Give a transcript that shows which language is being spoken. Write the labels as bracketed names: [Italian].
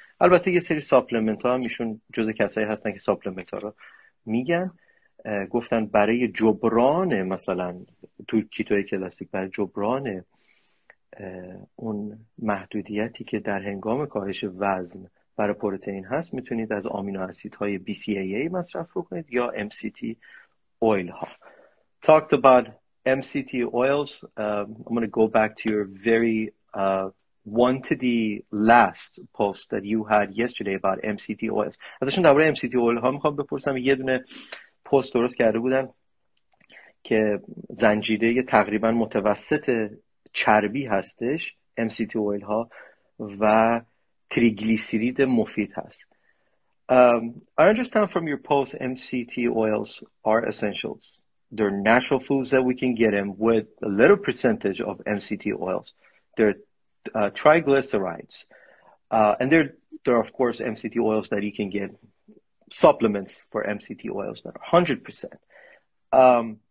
[Persian] البته یه سری ساپلمنت ها هم ایشون جزء کسایی هستن که ساپلمنت ها رو میگن، گفتن برای جبران مثلا تو کیتوی کلاسیک برای جبران اون محدودیتی که در هنگام کاهش وزن برای پروتئین هست میتونید از آمینو اسیدهای BCAA مصرف کنید یا MCT oil. [English] Talked about MCT oils. I'm going to go back to your very one to the last post that you had yesterday about MCT oils. [Persian] ازشون درباره MCT oil ها میخوام بپرسم. یه دونه پست درست کرده بودن که زنجیره تقریبا متوسط چربی هستش MCT oil ها و تریگلیسیرید مفید هست. [English] I understand from your post MCT oils are essentials. They're natural foods that we can get in with a little percentage of MCT oils. They're triglycerides. And there are, of course, MCT oils that you can get supplements for MCT oils that are 100%.